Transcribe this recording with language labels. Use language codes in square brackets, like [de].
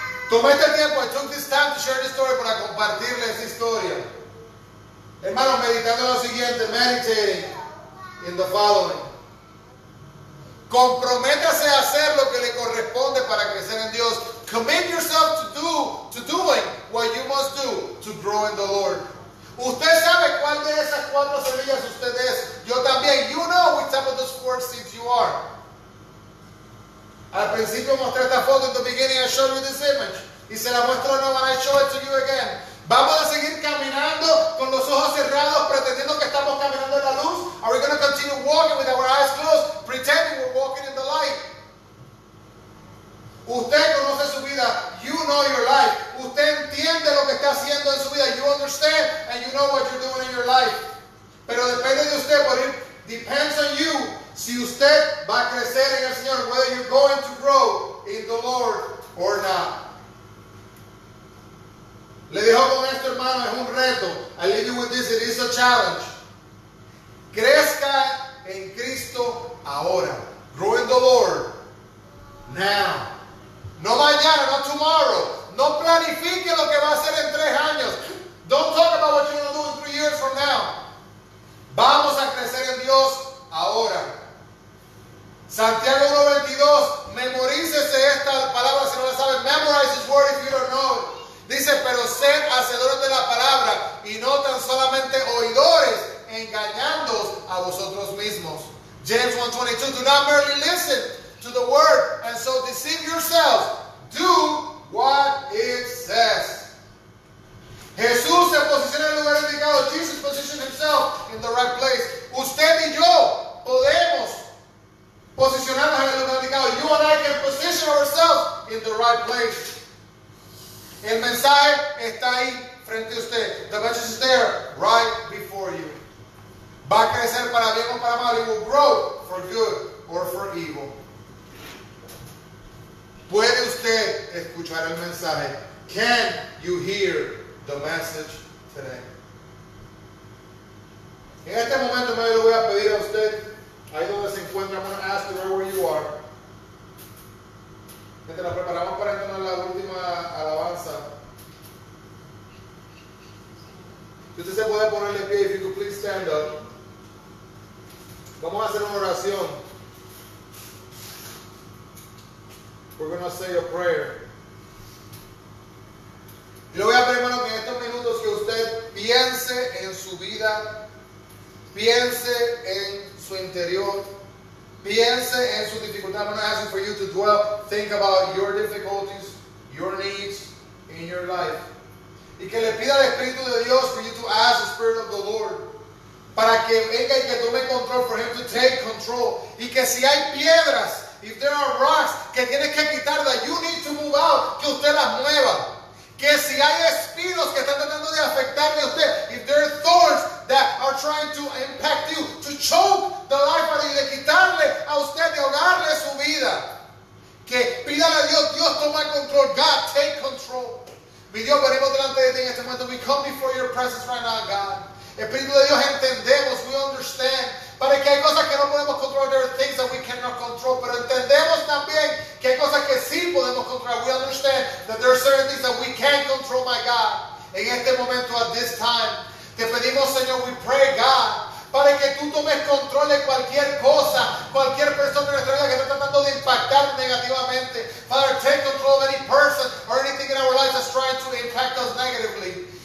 [es] Tomé este tiempo, [en] I took this time to share this story, [es] para compartirle esta historia. Hermanos, meditando lo siguiente, [en] meditating in the following. [es] Comprométase a hacer lo que le corresponde para crecer en Dios. [en] Commit yourself to doing what you must do to grow in the Lord. [es] Usted sabe cuál de esas cuatro semillas usted es. Yo también. [en] You know which type of those four seeds you are. [es] Al principio mostré esta foto. [en] In the beginning I showed you this image. [es] Y se la muestro de nuevo. [en] I show it to you again. [es] ¿Vamos a seguir caminando con los ojos cerrados pretendiendo que estamos caminando en la luz? [en] Are we going to continue walking with our eyes closed pretending we're walking in the light? [es] Usted conoce su vida. [en] You know your life. [es] Usted entiende lo que está haciendo en su vida. [en] You understand and you know what you're doing in your life. [es] Pero depende de usted. [en] But it depends on you. [es] Si usted va a crecer en el Señor, [en] whether you're going to grow in the Lord or not. [es] Le dijo con esto, hermano, es un reto. [en] I leave you with this, it is a challenge. [es] Crezca en Cristo ahora. [en] Grow in the Lord now. [es] No mañana, [en] no tomorrow. [es] No planifique lo que va a hacer en 3 años. [en] Don't talk about what you're going to do in 3 years from now. [es] Vamos a crecer en Dios ahora. Santiago 1:22, memorícese esta palabra si no la sabe. [en] Memorize this word if you don't know it. [es] Dice, pero sed hacedores de la palabra y no tan solamente oidores, engañándoos a vosotros mismos. [en] James 1:22, do not merely listen to the word and so deceive yourselves. Do what it says. [es] Jesús se posiciona en el lugar indicado. [en] Jesus positioned himself in the right place. [es] Usted y yo podemos posicionarnos en el lugar indicado. [en] You and I can position ourselves in the right place. [es] El mensaje está ahí frente a usted. [en] The message is there right before you. [es] Va a crecer para bien o para mal. [en] It will grow for good or for evil. [es] ¿Puede usted escuchar el mensaje? [en] Can you hear the message today? [es] En este momento me lo voy a pedir a usted Ahí donde se encuentra, [en] I'm going to ask you right where you are. [es] Mientras nos preparamos para entonar la última alabanza. Si usted se puede poner de pie, [en] if you could please stand up. [es] Vamos a hacer una oración. [en] We're going to say a prayer. [es] Y le voy a pedir, hermano, que en estos minutos que usted piense en su vida, piense en su interior, piense en su dificultad. [en] I'm going to ask you for you to dwell, think about your difficulties, your needs in your life. [es] Y que le pida al Espíritu de Dios, [en] for you to ask the Spirit of the Lord, [es] para que venga y que tome control, [en] for him to take control. [es] Y que si hay piedras, [en] if there are rocks, [es] que tienes que quitar, [en] that you need to move out, [es] que usted las mueva. Que si hay espinos que están tratando de afectarle a usted, [en] if there are thorns that are trying to impact you, to choke the life out of you, [es] de quitarle a usted, de ahogarle su vida. Que pídale a Dios, Dios toma control, [en] God take control. [es] Mi Dios, venimos delante de ti en este momento, [en] we come before your presence right now, God. [es] Espíritu de Dios, entendemos, [en] we understand. [es] Para que hay cosas que no podemos controlar, [en] there are things that we cannot control. [es] Pero entendemos también que hay cosas que sí podemos controlar. [en] We understand that there are certain things that we can control, my God. [es] En este momento, [en] at this time, [es] te pedimos, Señor, [en] we pray, God, [es] para que tú tomes control de cualquier cosa, cualquier persona en nuestra vida que está tratando de impactar negativamente. [en] Father, take control of any person or anything in our lives that's trying to impact us negatively.